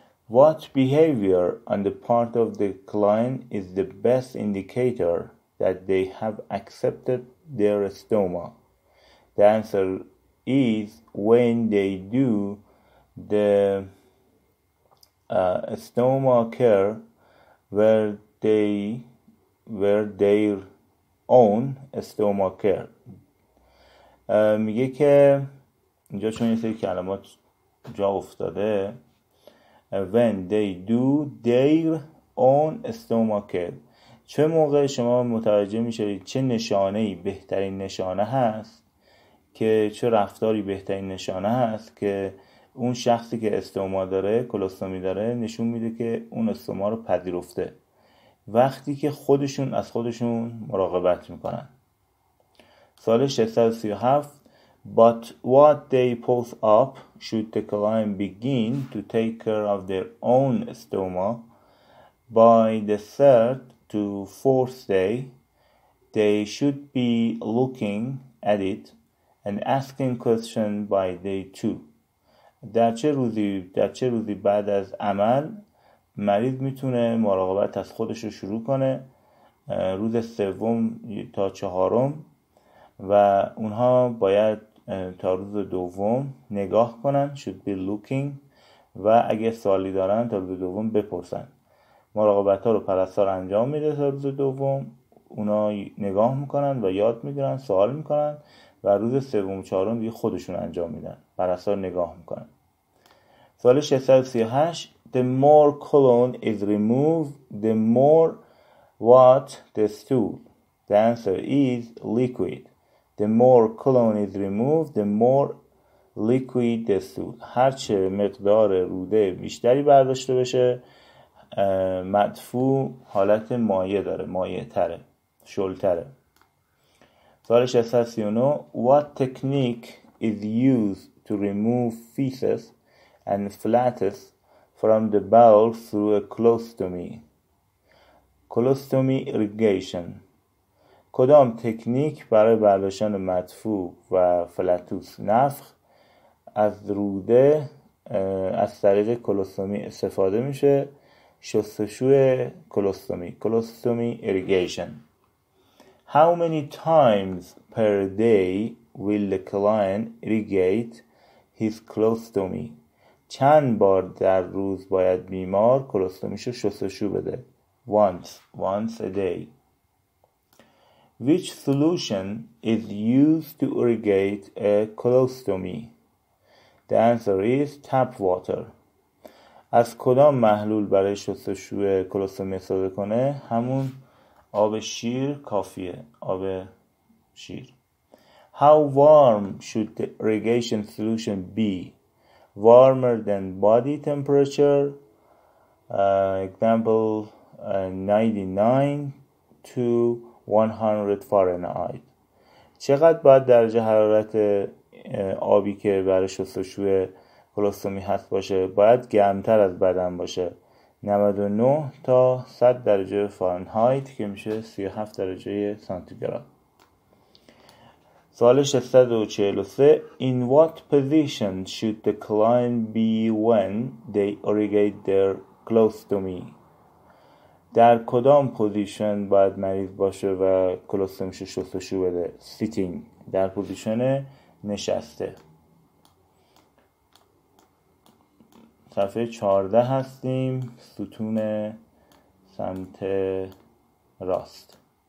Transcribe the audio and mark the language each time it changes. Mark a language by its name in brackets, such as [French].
[English] What behavior on the part of the client is the best indicator that they have accepted their stoma? The answer is when they do the stoma care where their own stoma care. [Persian] میگه که اینجا چون یه سری کلمات جا افتاده، [English] when they do their own stomacher، [Persian] چه موقع شما متوجه میشید، چه نشانه‌ای بهترین نشانه هست، که چه رفتاری بهترین نشانه هست که اون شخصی که استوما داره، کلوستومی داره، نشون میده که اون استوما رو پذیرفته، وقتی که خودشون از خودشون مراقبت میکنن. سال 637. [English] But what they post up should the client begin to take care of their own stoma by the third to fourth day, they should be looking at it and asking questions by day two. [Persian] در چه روزی بعد از عمل مریض میتونه مراقبت از خودش رو شروع کنه؟ روز سوم تا چهارم، و اونها باید تا روز دوم نگاه کنن، [English] should be looking، [Persian] و اگه سوالی دارن تا روز دوم بپرسن. مراقبت ها رو پرستار انجام میده تا روز دوم، اونا نگاه میکنن و یاد میگیرن، سوال میکنن، و روز سوم و چهارم دیگه خودشون انجام میدن، پرستار نگاه میکنن. سوال 638. [English] The more colon is removed, the more what the stool? The answer is liquid. The more colon is removed, the more liquid the stool. [Persian] هر چه مقدار روده بیشتری برداشته بشه، مدفوع حالت مایع داره، مایع تره، شل تره. سوال 639. [English] What technique is used to remove feces and flatus from the bowel through a colostomy? Colostomy irrigation. [Persian] کدام تکنیک برای برداشتن مدفوع و فلاتوس، نفخ، از روده از طریق کلوستومی استفاده میشه؟ شستشوی کلوستومی، کلوستومی ایریگیشن. [English] How many times per day will the client irrigate his colostomy؟ [Persian] چند بار در روز باید بیمار کلوستومیشو شستشو بده؟ [English] Once a day. Which solution is used to irrigate a colostomy? The answer is tap water. [Persian] از کدام محلول برای شستشو کلوستومی استفاده کنه؟ همون آب شیر کافیه، آب شیر. [English] How warm should the irrigation solution be? Warmer than body temperature? Example 99 to 100 Fahrenheit. [Persian] چقدر باید درجه حرارت آبی که برای شستشوی کلوستومی هست باشه؟ باید گرمتر از بدن باشه، 99 تا 100 درجه فارنهایت، که میشه 37 درجه سانتیگراد. سوال 643. [English] In what position should the client be when they irrigate their colostomy? [Persian] در کدام پوزیشن باید مریض باشه و کلوستومیش رو شستشو بده؟ سیتینگ، در پوزیشن نشسته. صفحه 14 هستیم، ستون سمت راست.